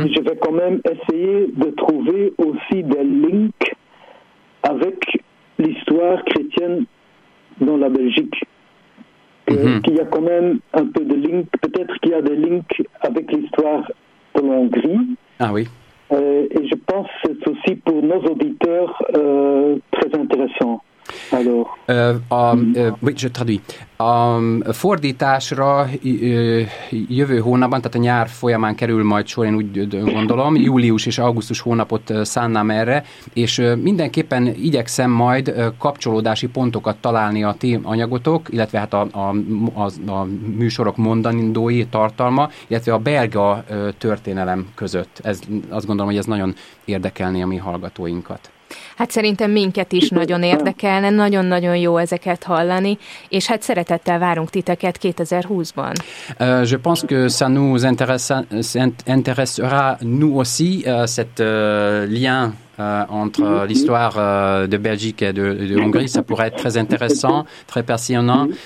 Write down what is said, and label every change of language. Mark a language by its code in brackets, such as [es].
[fr] Et je vais quand même essayer de trouver aussi des links avec l'histoire chrétienne dans la Belgique. Mm-hmm. Qu'il y a quand même un peu de link, peut-être qu'il y a des links avec l'histoire de l'Hongrie. Ah oui. Et je pense que c'est aussi pour nos auditeurs très intéressant. Alors. Oui, je traduis. [hu] A fordításra jövő hónapban, tehát a nyár folyamán kerül majd sor, én úgy gondolom, július és augusztus hónapot szánnám erre, és mindenképpen igyekszem majd kapcsolódási pontokat találni a ti anyagotok, illetve hát a műsorok mondandói tartalma, illetve a belga történelem között. Ez, azt gondolom, hogy ez nagyon érdekelné a mi hallgatóinkat. Hát szerintem minket is nagyon érdekelne, nagyon-nagyon jó ezeket hallani, és hát szeretettel várunk titeket 2020-ban. [fr] Je pense que ça nous intéressera nous aussi, cet lien entre l'histoire de Belgique et de Hongrie, ça pourrait être très intéressant, très passionnant.